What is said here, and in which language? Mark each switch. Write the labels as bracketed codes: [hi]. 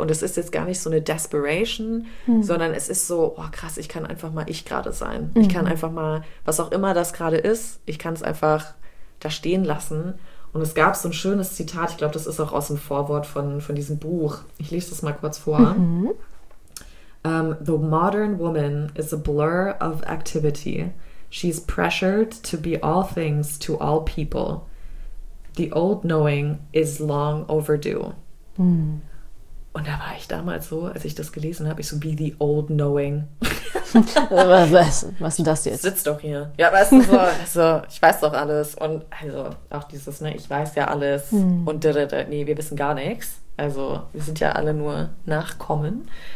[de] Und es ist jetzt gar nicht so eine Desperation, sondern es ist so, oh krass, ich kann einfach mal ich gerade sein. Mhm. Ich kann einfach mal, was auch immer das gerade ist, ich kann es einfach da stehen lassen. Und es gab so ein schönes Zitat, ich glaube, das ist auch aus dem Vorwort von diesem Buch. Ich lese das mal kurz vor. [en] The modern woman is a blur of activity. She's pressured to be all things to all people. The old knowing is long overdue. Hm. [de] Und da war ich damals so, als ich das gelesen habe, ich so, wie the old knowing. was denn das jetzt? Sitz doch hier. Ja, weißt du, so, also, ich weiß doch alles. Und also auch dieses, ne, ich weiß ja alles. Hm. Und nee, wir wissen gar nichts. Also wir sind ja alle nur Nachkommen.